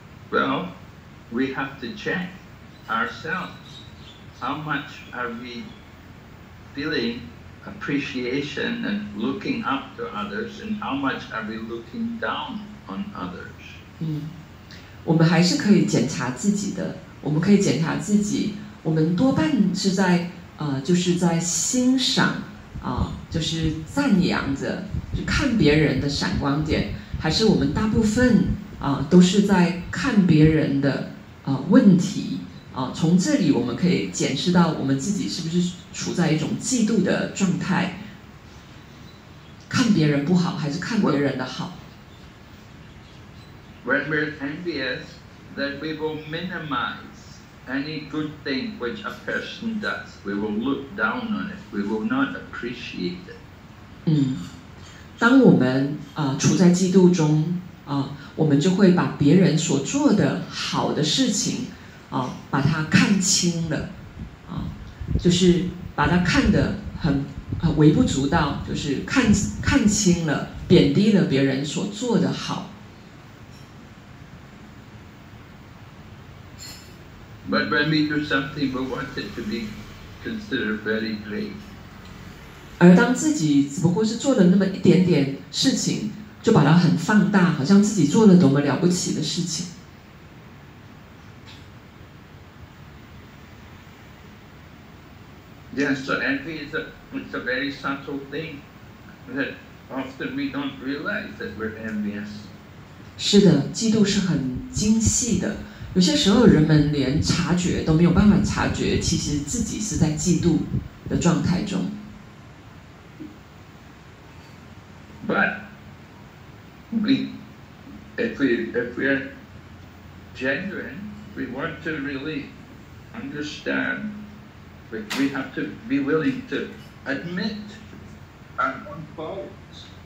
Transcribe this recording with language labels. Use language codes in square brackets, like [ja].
[en] Well, we have to check ourselves. How much are we feeling appreciation and looking up to others, and how much are we looking down on others? [zh] 我们还是可以检查自己的。我们可以检查自己。我们多半是在就是在欣赏。就是赞扬着，就看别人的闪光点，还是我们大部分都是在看别人的问题从这里我们可以检视到我们自己是不是处在一种嫉妒的状态，看别人不好还是看别人的好。 [en] When we're envious, then we will minimize any good thing which a person does. We will look down on it. We will not appreciate it. [zh] 当我们处在嫉妒中我们就会把别人所做的好的事情把它看轻了就是把它看得很微不足道，就是看轻了，贬低了别人所做的好。 [en] But when we do something, we want it to be considered very great. [zh] 而当自己只不过是做了那么一点点事情，就把它很放大，好像自己做了多么了不起的事情。 [en] Yes, so envy is a very subtle thing that often we don't realize that we're envious. [zh] 是的，嫉妒是很精细的。有些时候人们连察觉都没有办法察觉，其实自己是在嫉妒的状态中。 [en] But if we are genuine, we want to really understand, but we have to be willing to admit our own faults.